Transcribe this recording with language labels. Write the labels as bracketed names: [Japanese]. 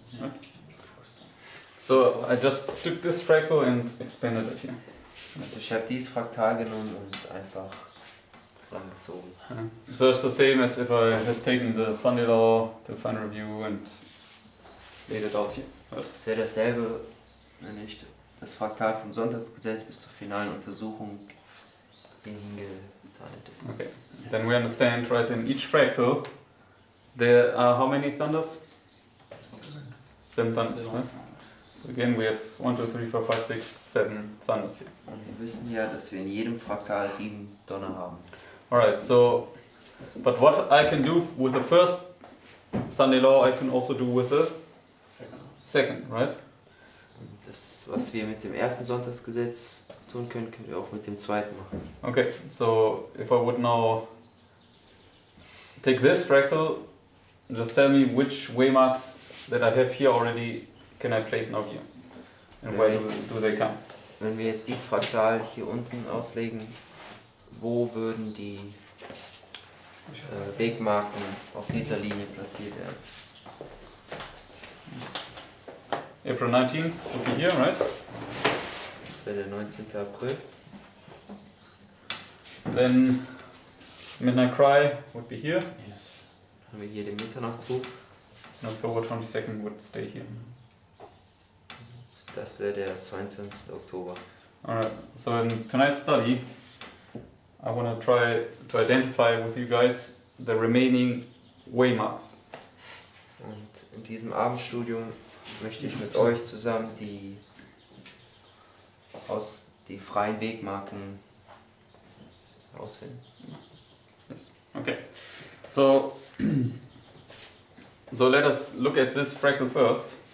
[English] Right. So, I just took this fractal and expanded it here. [German] Also ich habe dieses Fraktal genommen und einfach langgezogen. [English] So it's the same as if I had taken the Sunday law, the final review and laid it out here. [German] Es wäre dasselbe, wenn ich das Fraktal vom Sonntagsgesetz bis zur finalen Untersuchung hingetan hätte. [English] Okay, then we understand, right, in each fractal, there are how many thunders? Seven thunders, right? Again, we have 1, 2, 3, 4, 5, 6, 7 thunders here. [German] Und wir wissen ja, dass wir in jedem Fraktal 7 Donner haben. [English] Alright, so, but what I can do with the first Sunday law, I can also do with the second, right? [German] Das, was wir mit dem ersten Sonntagsgesetz tun können, können wir auch mit dem zweiten machen. [English] Okay, so, if I would now take this fractal, just tell me which waymarks that I have here already, can I place now here? And where do they come? [German] Wenn wir jetzt dieses Fraktal hier unten auslegen, wo würden die Wegmarken auf dieser Linie platziert werden? [English] April 19th would be here, right? [German] Das wäre der 19. April. [English] Then Midnight Cry would be here. Yes. [German] Haben wir hier den Mitternachtsruf. [English] October 22nd would stay here. [German] Das wäre der 22. Oktober. [English] Alright, so in tonight's study, I want to try to identify with you guys the remaining waymarks. [German] Und in diesem Abendstudium möchte ich mit euch zusammen die freien Wegmarken ausfinden. [English] Yes. Okay. So, so let us look at this fractal first.